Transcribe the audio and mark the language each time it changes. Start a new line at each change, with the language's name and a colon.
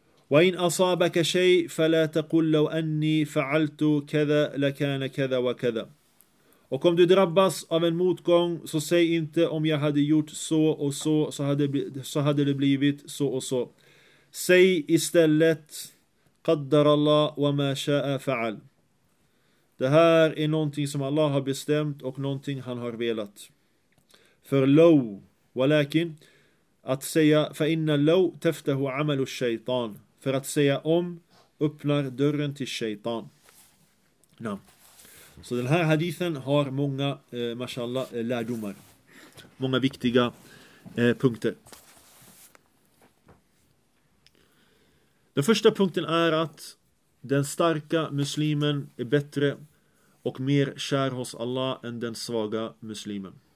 Arabic: وَإِنْ أَصَابَكَ شَيْءٍ فَلَا تَقُلْ لَوْ أَنِّي فَعَلْتُ كَذَا لَكَانَ كَذَا وَكَذَا.
Swedish: Och om du drabbas av en motgång så säg inte om jag hade gjort så hade det blivit så och så. Säg istället
Arabic: قَدَّرَ اللَّهُ وَمَا شَاءَ فَعَلْ.
Swedish: Det här är någonting som Allah har bestämt och någonting han har velat. För
Arabic: لَوْ وَلَكِنْ
Swedish: att säga
Arabic: فَإِنَّ لَوْ تَفْتَهُ عَمَلُ الشَّيْطَانِ.
Swedish: För att säga om öppnar dörren till shaitan. No. Så den här hadithen har många, mashallah, lärdomar. Många viktiga punkter. Den första punkten är att den starka muslimen är bättre och mer kär hos Allah än den svaga muslimen.